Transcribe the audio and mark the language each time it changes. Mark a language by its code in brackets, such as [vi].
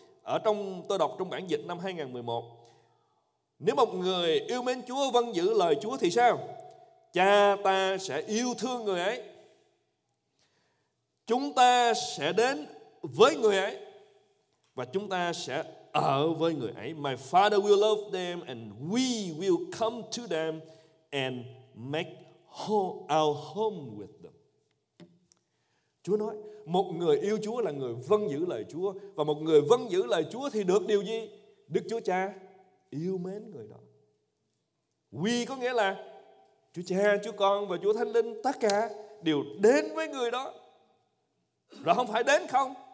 [vi] Ở trong, tôi đọc trong bản dịch năm 2011, nếu một người yêu mến Chúa vẫn giữ lời Chúa thì sao? Cha ta sẽ yêu thương người ấy. Chúng ta sẽ đến với người ấy và chúng ta sẽ ở với người ấy. [en] My Father will love them and we will come to them and make our home with them. [vi] Chúa nói, một người yêu Chúa là người vâng giữ lời Chúa. Và một người vâng giữ lời Chúa thì được điều gì? Đức Chúa Cha yêu mến người đó. We có nghĩa là Chúa Cha, Chúa Con và Chúa Thánh Linh, tất cả đều đến với người đó. Rồi không phải đến không?